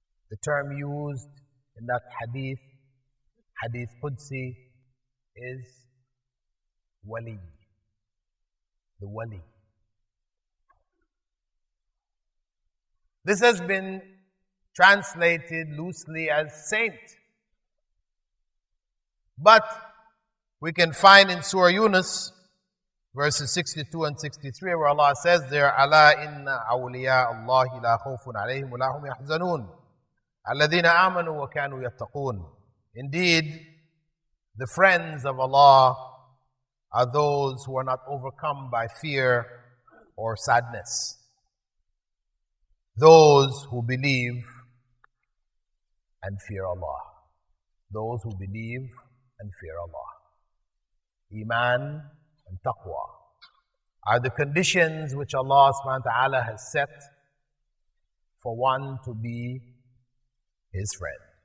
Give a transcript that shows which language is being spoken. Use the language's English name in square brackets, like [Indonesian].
[English] The term used in that hadith Qudsi, is wali. The wali. This has been translated loosely as saint. But we can find in Surah Yunus, verses 62 and 63, where Allah says there, [Arabic] أَلَا إِنَّ أَوْلِيَاءَ اللَّهِ لَا خَوْفٌ عَلَيْهِمْ وَلَا هُمْ يَحْزَنُونَ الَّذِينَ آمَنُوا وَكَانُوا يَتَّقُونَ. [English] Indeed, the friends of Allah are those who are not overcome by fear or sadness. Those who believe and fear Allah. Those who believe and fear Allah. Iman and taqwa are the conditions which Allah subhanahu wa ta'ala has set for one to be his friend.